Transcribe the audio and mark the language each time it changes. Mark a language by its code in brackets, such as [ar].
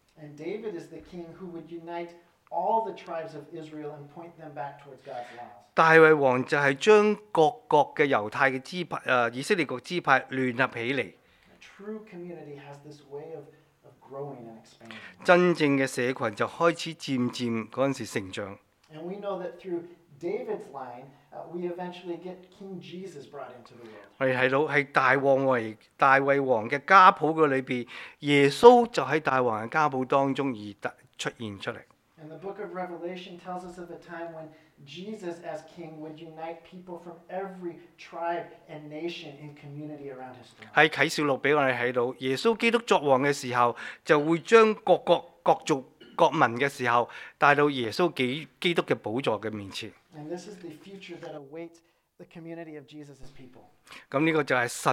[en] And David is the king who would unite all the tribes of Israel and point them back towards God's laws. [yue] 大衛王就係將各國嘅猶太嘅支派，以色列各支派聯合起嚟。 [en] True community has this way of growing and expanding. [yue] 真正嘅社群就開始漸漸嗰陣時成長。 [en] And we know that through David's line, we eventually get King Jesus brought into the world. [yue] 我哋睇到喺大王嘅家谱嘅里边，耶稣就喺大王嘅家谱当中而出现出嚟。 [en] And the book of Revelation tells us of a time when Jesus as king would unite people from every tribe and nation in community around his throne. [yue] 喺启示录俾我哋睇到，耶稣基督作王嘅时候，就会将各国各族。國民嘅時候，帶到耶穌基督嘅寶座嘅面前。 [en] And this is the future that awaits the community of Jesus' people.